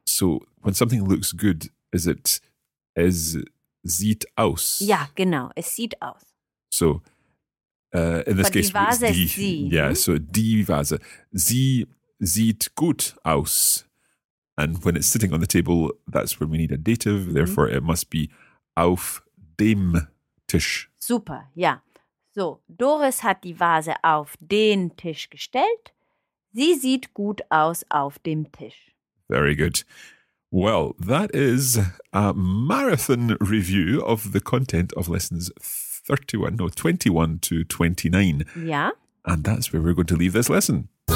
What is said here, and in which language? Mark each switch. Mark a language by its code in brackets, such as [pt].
[en] So when something looks good, is it, [de] es sieht aus? Ja, genau. Es sieht aus. [en] So in this case, [de] die Vase die, ist sie. [en] Yeah, so die Vase. [de] Sie sieht gut aus. [en] And when it's sitting on the table, that's when we need a dative. Therefore, it must be [de] auf dem Tisch. Super, ja. So, Doris hat die Vase auf den Tisch gestellt. Sie sieht gut aus auf dem Tisch. [en] Very good. Well, that is a marathon review of the content of lessons 21 to 29. [de] Ja. [en] And that's where we're going to leave this lesson.